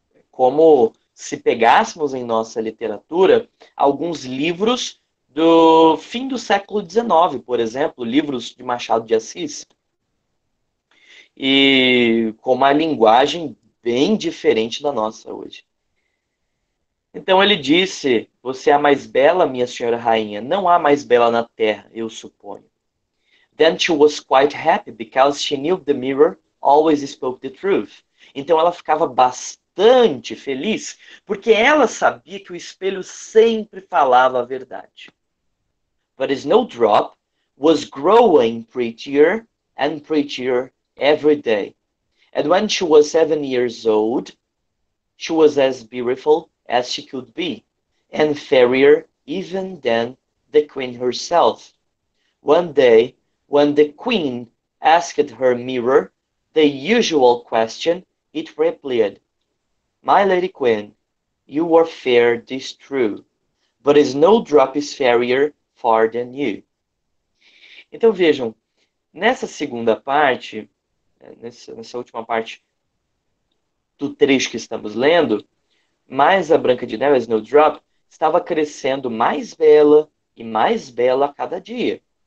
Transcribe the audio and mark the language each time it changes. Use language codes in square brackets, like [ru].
[pt] Como se pegássemos em nossa literatura alguns livros do fim do século XIX, por exemplo, livros de Machado de Assis, e com uma linguagem bem diferente da nossa hoje. Então ele disse: Você é a mais bela, minha senhora rainha. Não há mais bela na terra, eu suponho. [en] Then she was quite happy because she knew the mirror always spoke the truth. [pt] Então ela ficava bastante feliz porque ela sabia que o espelho sempre falava a verdade. [en] But Snowdrop was growing prettier and prettier every day. And when she was 7 years old, she was as beautiful as she could be, and fairer even than the queen herself. One day, when the queen asked her mirror the usual question, it replied, My lady queen, you are fair, this true, but Snowdrop is fairer far than you. [pt] Então vejam, nessa segunda parte, nessa última parte do trecho que estamos lendo, mas a Branca de Neve, a Snowdrop, estava crescendo mais bela e mais bela a cada dia.